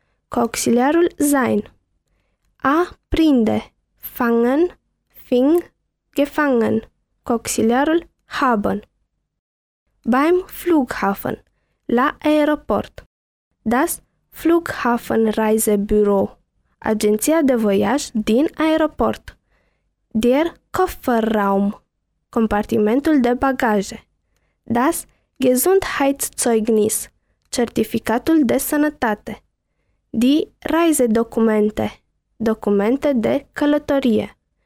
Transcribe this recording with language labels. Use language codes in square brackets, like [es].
[ro] Cu auxiliarul sein. A prinde. [de] Fangen, fing, gefangen. [ro] Cu auxiliarul haben. [de] Beim Flughafen. [ro] La aeroport. [de] Das Flughafenreisebüro. [ro] Agenția de voiaj din aeroport. [de] Der Kofferraum. [ro] Compartimentul de bagaje. [de] Das Gesundheitszeugnis. [ro] Certificatul de sănătate. [de] Die Reisedokumente. [ro] Documente de călătorie.